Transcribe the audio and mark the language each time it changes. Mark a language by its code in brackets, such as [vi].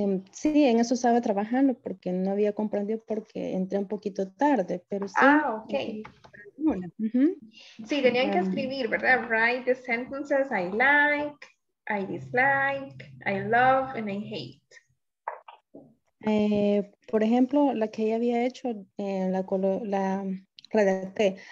[es] Sí, en eso estaba trabajando porque no había comprendido porque entré un poquito tarde, pero sí. Ah, ok. Sí, tenían que escribir, ¿verdad? [en] Write the sentences I like, I dislike, I love, and I hate. [es] Por ejemplo, la que ya había hecho, la redacté.